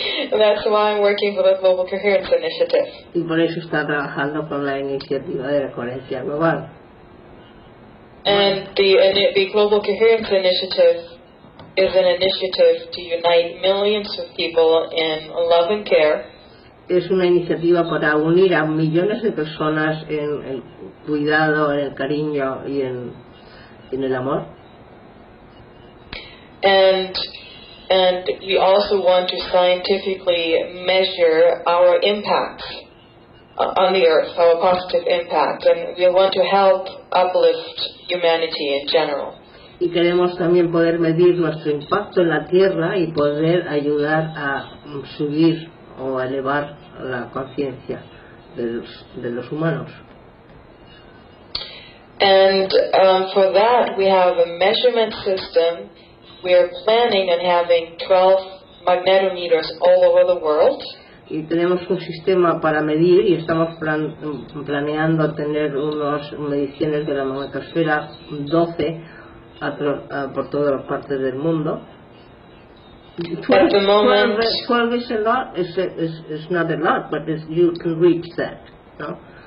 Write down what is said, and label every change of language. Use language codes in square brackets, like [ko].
[en] That's why I'm working for the Global Coherence Initiative. [es] Y por eso está trabajando con la iniciativa de la coherencia global. [en] And the Global Coherence Initiative is an initiative to unite millions of people in love and care. [es] Es una iniciativa para unir a millones de personas en el cuidado, en el cariño y en el amor. [en] And we also want to scientifically measure our impact on the earth, our positive impact, and we want to help uplift humanity in general. [es] Y queremos también poder medir nuestro impacto en la Tierra y poder ayudar a subir o elevar la conciencia de los humanos. [en] And for that we have a measurement system. We are planning on having 12 magnetometers all over the world. [es] Y tenemos un sistema para medir y estamos planeando tener unas mediciones de la magnetosfera 12 por todas las partes del mundo. [en] At the moment, 12 is a lot. It's not a lot, but you can reach that, no?